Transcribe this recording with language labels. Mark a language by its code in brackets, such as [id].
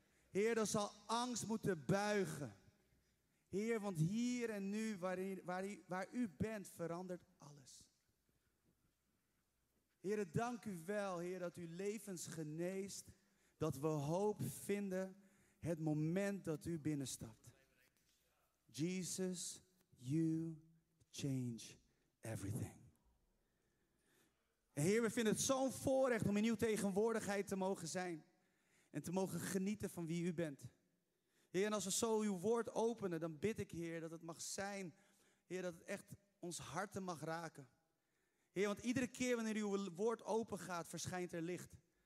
[nl] Heer, dan zal angst moeten buigen. Heer, want hier en nu, waar u bent, verandert alles. Heer, dank u wel, Heer, dat u levens geneest, dat we hoop vinden het moment dat u binnenstapt. [en] Jesus, you change everything. [nl] Heer, we vinden het zo'n voorrecht om in uw tegenwoordigheid te mogen zijn. En te mogen genieten van wie u bent. Heer, en als we zo uw woord openen, dan bid ik, Heer, dat het mag zijn. Heer, dat het echt ons harten mag raken. Heer, want iedere keer wanneer uw woord open gaat, verschijnt er licht.